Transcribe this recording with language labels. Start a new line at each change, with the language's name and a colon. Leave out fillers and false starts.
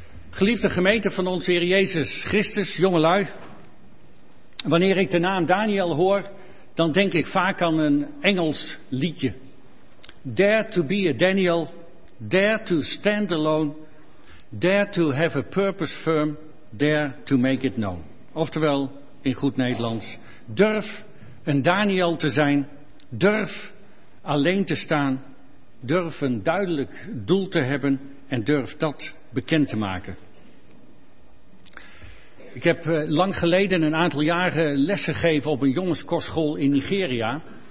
Dutch: Geliefde gemeente van onze Heer Jezus Christus, jongelui, wanneer ik de naam Daniël hoor, dan denk ik vaak aan een Engels liedje.
English: Dare to be a Daniel, dare to stand alone, dare to have a purpose firm, dare to make it known.
Dutch: Oftewel, in goed Nederlands, durf een Daniël te zijn, durf alleen te staan, durf een duidelijk doel te hebben en durf dat bekend te maken. Ik heb lang geleden een aantal jaren lessen gegeven op een jongenskorschool in Nigeria.